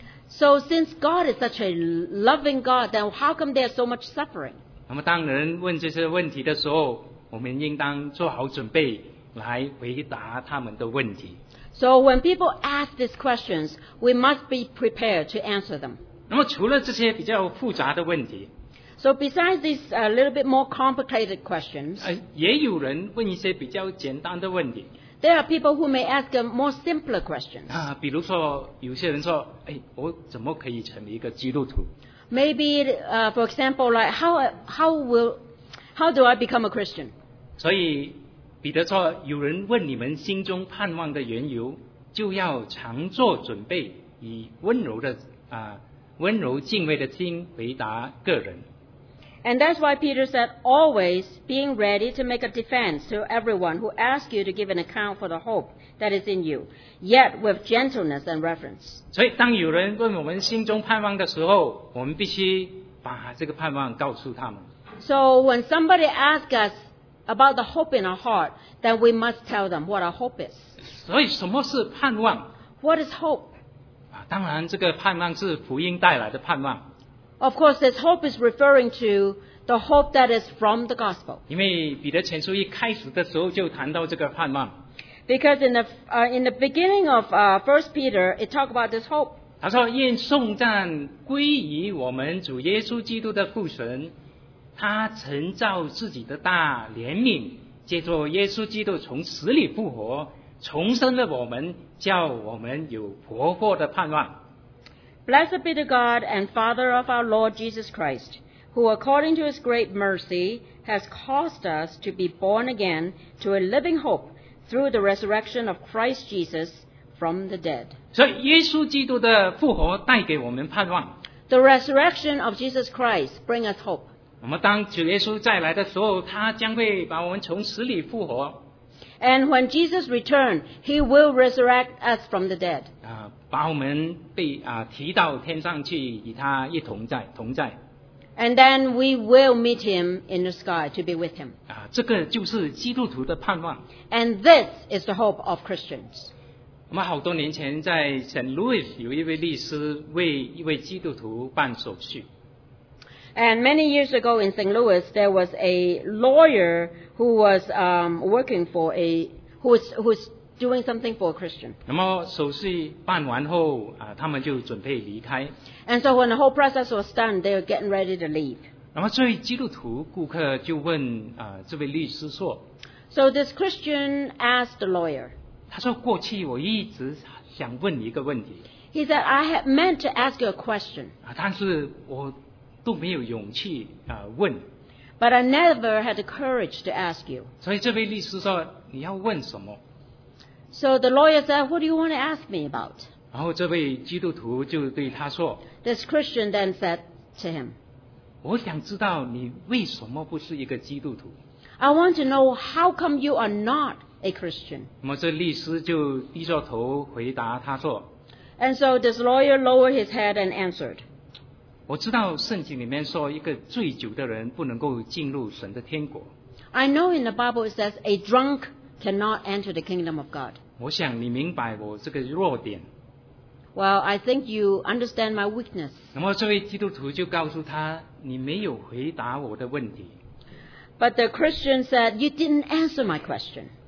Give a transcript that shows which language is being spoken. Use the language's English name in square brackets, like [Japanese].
[English] ？So since God is such a loving God, then how come there's so much suffering？ [Chinese] 那么当人问这些问题的时候，我们应当做好准备来回答他们的问题。 [English] So when people ask these questions, we must be prepared to answer them。 [Chinese] 那么除了这些比较复杂的问题。 [English] So besides these a little bit more complicated questions, [Chinese] 也有人问一些比较简单的问题。 [English] There are people who may ask a more simpler questions. [Chinese] 啊，比如说有些人说，哎，我怎么可以成为一个基督徒 [English] ？Maybe, for example, like how do I become a Christian? [Chinese] 所以彼得说，有人问你们心中盼望的缘由，就要常做准备，以温柔敬畏的心回答个人。 [English] And that's why Peter said, always being ready to make a defense to everyone who asks you to give an account for the hope that is in you, yet with gentleness and reverence. [Chinese] 所以当有人问我们心中盼望的时候，我们必须把这个盼望告诉他们。 [English] So when somebody asks us about the hope in our heart, then we must tell them what our hope is. [Chinese] 所以什么是盼望？ [English] What is hope? [Chinese] 当然这个盼望是福音带来的盼望。 [English] Of course, this hope is referring to the hope that is from the gospel. [Chinese] 因为彼得前书一开始的时候就谈到这个盼望。 [English] Because in the beginning of First Peter, it talked about this hope. [Chinese] 他说：“愿颂赞归于我们主耶稣基督的父神，他曾照自己的大怜悯，借着耶稣基督从死里复活，重生了我们，叫我们有活泼的盼望。” [English] Blessed be the God and Father of our Lord Jesus Christ, who according to his great mercy has caused us to be born again to a living hope through the resurrection of Christ Jesus from the dead. [Chinese] So, 耶稣基督的复活带给我们盼望。 [English] The resurrection of Jesus Christ brings us hope. [Chinese] 我们当主耶稣再来的时候，他将会把我们从死里复活。 [English] And when Jesus returns, he will resurrect us from the dead. [Chinese] 把我们被提到天上去与他一同在同在。 [English] And then we will meet him in the sky to be with him. [Chinese] 这个就是基督徒的盼望。 [English] And this is the hope of Christians. [Chinese] 我们好多年前在 St. Louis 有一位律师为一位基督徒办手续。 [English] And many years ago in St. Louis, there was a lawyer who was who was doing something for a Christian. [Chinese] 那么手续办完后，他们就准备离开。 [English] And so when the whole process was done, they were getting ready to leave. [Chinese] 那么这位基督徒顾客就问这位律师说。 [English] So this Christian asked the lawyer. [Chinese] 他说过去我一直想问你一个问题。 [English] He said, I had meant to ask you a question. [Chinese] 但是我都没有勇气问。 [English] But I never had the courage to ask you. [Chinese] 所以这位律师说你要问什么 [English] So the lawyer said, what do you want to ask me about? [Chinese] 然后这位基督徒就对他说 [English] This Christian then said to him, [Chinese] 我想知道你为什么不是一个基督徒。 [English] I want to know how come you are not a Christian. [Chinese] 那么这律师就低着头回答他说 [English] And so this lawyer lowered his head and answered, [Chinese] 我知道圣经里面说一个醉酒的人不能够进入神的天国。 [English] I know in the Bible it says a drunk cannot enter the kingdom of God. [Chinese] 我想你明白我这个弱点。 [English] Well, I think you understand my weakness. [Chinese] 那么这位基督徒就告诉他，你没有回答我的问题。 [English] But the Christian said, you didn't answer my question.